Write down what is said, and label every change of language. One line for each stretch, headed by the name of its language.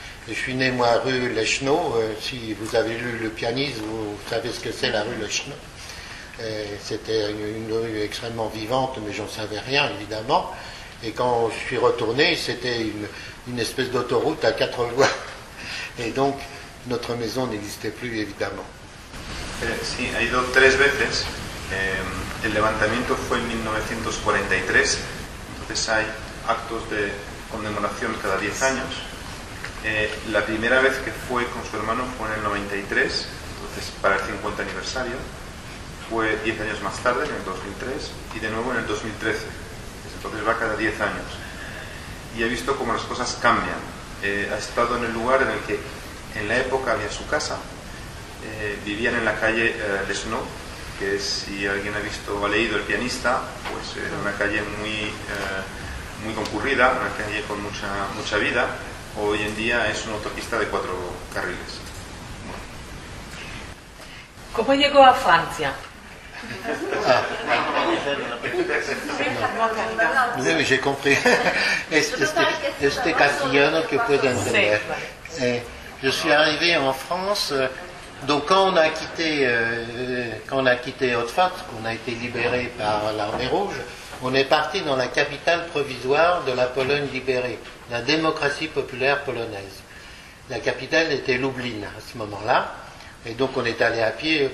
French: Je suis né moi rue Lechneau. Si vous avez lu Le Pianiste, vous savez ce que c'est la rue Lechneau. C'était une rue extrêmement vivante, mais j'en savais rien évidemment. Et quand je suis retourné, c'était une espèce d'autoroute à 4 voies. Et donc notre maison n'existait plus évidemment.
Spanish: Sí, ha ido 3 veces. El levantamiento fue en 1943, entonces hay actos de conmemoración cada 10 años. La primera vez que fue con su hermano fue en el 93, entonces para el 50 aniversario. Fue 10 años más tarde, en el 2003, y de nuevo en el 2013. Entonces va cada 10 años. Y he visto cómo las cosas cambian. Ha estado en el lugar en el que en la época había su casa. Vivían en la calle Lesnau, que si alguien ha visto o ha leído El Pianista, pues era una calle muy, muy concurrida, una calle con mucha, mucha vida. Hoy en día es una autopista de 4 carriles. Bueno. ¿Cómo llegó a Francia?
French: Ah. Oui, j'ai compris.
Spanish: Este castellano que puede entender.
French: Je suis arrivé en France. Donc quand on a quitté Otfat, qu'on a été libéré par l'armée rouge, on est parti dans la capitale provisoire de la Pologne libérée, la démocratie populaire polonaise. La capitale était Lublin à ce moment-là, et donc on est allé à pied.